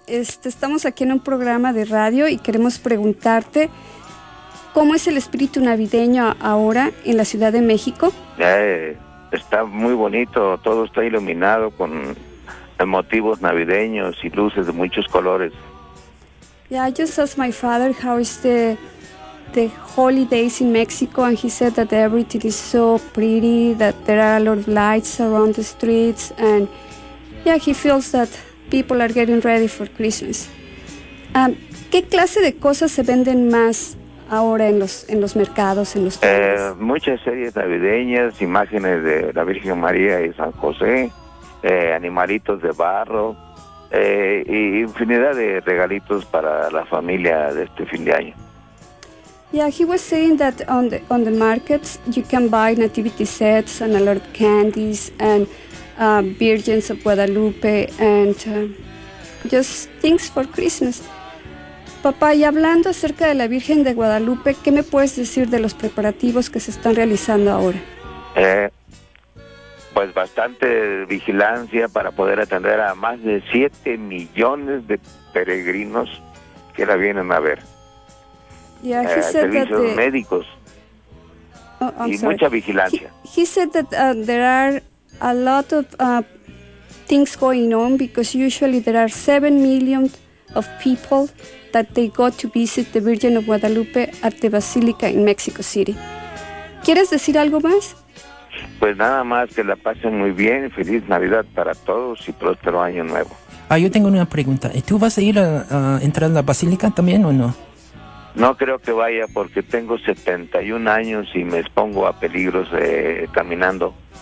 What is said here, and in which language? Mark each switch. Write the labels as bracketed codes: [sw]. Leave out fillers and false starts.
[es] Estamos aquí en un programa de radio y queremos preguntarte cómo es el espíritu navideño ahora en la Ciudad de México. Está muy bonito, todo está iluminado con motivos navideños y luces de muchos colores. [en] Yeah, I just asked my father how is the holidays in Mexico, and he said that everything is so pretty, that there are a lot of lights around the streets, and yeah, he feels that people are getting ready for Christmas. [es] ¿Qué clase de cosas se venden más ahora en los mercados, en los tiendas? Muchas series navideñas, imágenes de la Virgen María y San José, animalitos de barro, y infinidad de regalitos para la familia de este fin de año. [en] Yeah, he was saying that on the markets you can buy nativity sets and a lot of candies and Virgins of Guadalupe and just things for Christmas. [es] Papá, y hablando acerca de la Virgen de Guadalupe, ¿qué me puedes decir de los preparativos que se están realizando ahora? Pues bastante vigilancia para poder atender a más de 7 millones de peregrinos que la vienen a ver. [en] Yeah, [es] servicios médicos. Mucha vigilancia. [en] He said that there are a lot of things going on because usually there are 7 million of people that they go to visit the Virgin of Guadalupe at the Basilica in Mexico City. [es] ¿Quieres decir algo más? Pues nada más, que la pasen muy bien. Feliz Navidad para todos y próspero año nuevo. Yo tengo una pregunta. ¿Tú vas a ir a entrar a la Basílica también o no? No creo que vaya porque tengo 71 años y me expongo a peligros caminando.